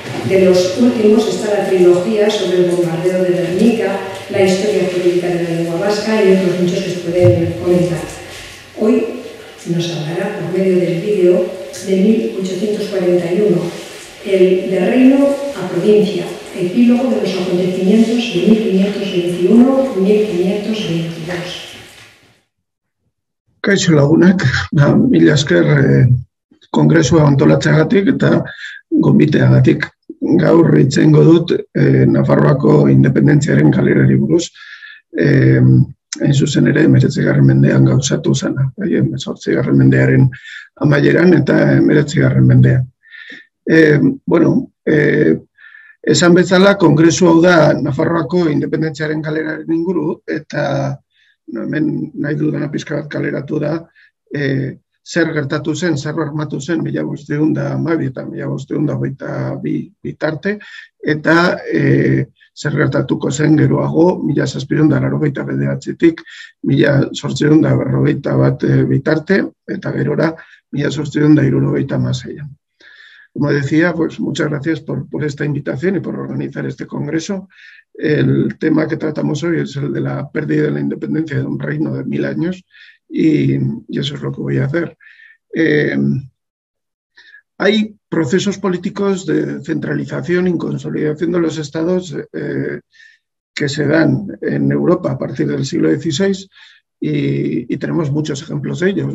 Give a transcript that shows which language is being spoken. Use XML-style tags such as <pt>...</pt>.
<es>De los últimos está la trilogía sobre el bombardeo de Guernica, la historia jurídica de la lengua vasca y otros muchos que se pueden comentar. Hoy nos hablará por medio del vídeo de 1841, el de reino a provincia, epílogo de los acontecimientos de 1521-1522.</es> <eu>Kaixo lagunak, mila esker kongresua antolatzeagatik eta gonbiteagatik. Gaur itzengo dut Nafarroako independentziaren galerari buruz, hain zuzen ere 19. mendean gauzatu zena, 18. mendearen amaieran eta 19. mendean. Esan bezala, kongresu hau da Nafarroako independentziaren galeraren inguru, eta hemen nahi dudana pixka bat kaleratu da, zer gertatu zen, zer armatu zen 1512 eta 1522 bitarte, eta zer gertatuko zen geroago 1789-tik 1841 bitarte, eta gerora 1866.</eu> <es>Como decía, pues muchas gracias por esta invitación y por organizar este congreso. El tema que tratamos hoy es el de la pérdida de la independencia de un reino de 1000 años y eso es lo que voy a hacer. Hay procesos políticos de centralización y consolidación de los estados que se dan en Europa a partir del siglo XVI y tenemos muchos ejemplos de ellos.</es>